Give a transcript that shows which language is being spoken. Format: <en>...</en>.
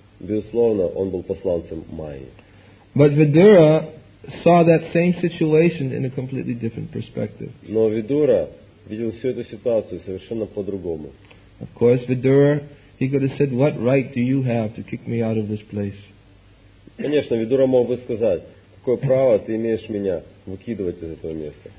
<ru>Безусловно, он был посланцем Майи.</ru> <en>But Vidura saw that same situation in a completely different perspective.</en> <ru>Но Видура видел всю эту ситуацию совершенно по-другому.</ru> <en>Of course, Vidura, he could have said, "What right do you have to kick me out of this place?"</en> <ru>Конечно, Видура мог бы сказать. Какое право ты имеешь меня выкидывать из этого места?</ru>